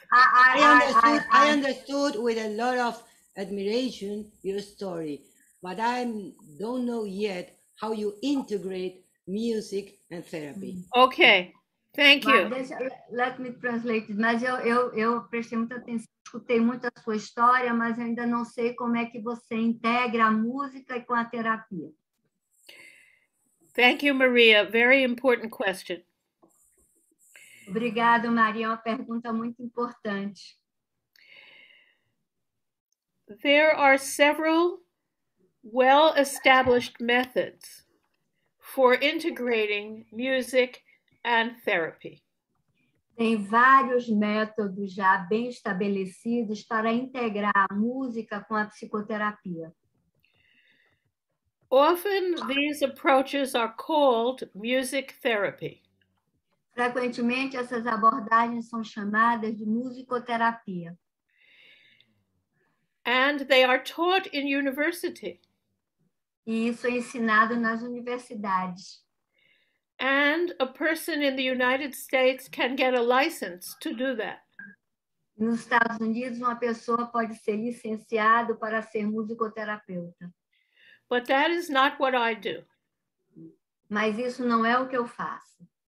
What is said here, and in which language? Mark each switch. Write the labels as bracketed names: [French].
[English] I understood with a lot of admiration your story, but I don't know yet how you integrate music and therapy. Okay. Thank you. Let me translate. [Portuguese] Mas eu prestei muita atenção, escutei muito a sua história, mas ainda não sei como é que você integra a música com a terapia. [English] Thank you, Maria. Very important question. [Portuguese] Obrigada, Maria. Uma pergunta muito importante. [English] There are several well-established methods for integrating music and therapy. [Portuguese] Tem vários métodos já bem estabelecidos para integrar a música com a psicoterapia. [English] Often these approaches are called music therapy. [Portuguese] Frequentemente essas abordagens são chamadas de musicoterapia. [English] And they are taught in university. [Portuguese] E isso é ensinado nas universidades. [English] And a person in the United States can get a license to do that. [Portuguese] Nos Estados Unidos, uma pessoa pode ser licenciado para ser musicoterapeuta. [English] But that is not what I do. [Portuguese] Mas isso não é o que eu faço.